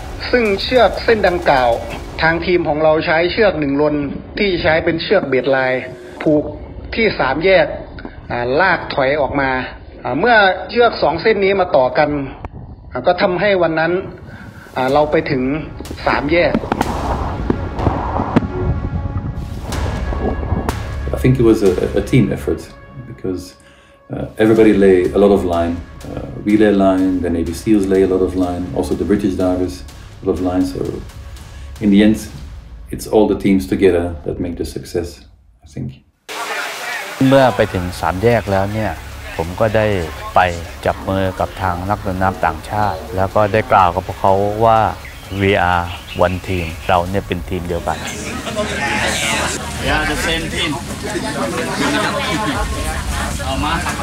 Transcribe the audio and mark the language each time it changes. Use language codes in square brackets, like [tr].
[th] ซึ่งเชือกเส้นดังกล่าวทางทีมของเราใช้เชือก1ลนที่ใช้เป็นเชือกเบดไลน์ผูกที่3แยกลากถอยออกมาเมื่อเชือก2เส้นนี้มาต่อกันก็ทำให้วันนั้นเราไปถึง3แยก [en] I think it was a team effort because everybody lay a lot of line we lay line the Navy SEALs lay a lot of line also the British divers a lot of line so in the end it's all the teams together that make the success I think [th] เมื่อไปถึงสามแยกแล้วเนี่ยผมก็ได้ไปจับมือกับทางนักดำน้ำต่างชาติแล้วก็ได้กล่าวกับพวกเขาว่า [en] we are one team [th] เราเนี่ยเป็นทีมเดียวกัน [en] we are the same team [th] เอามา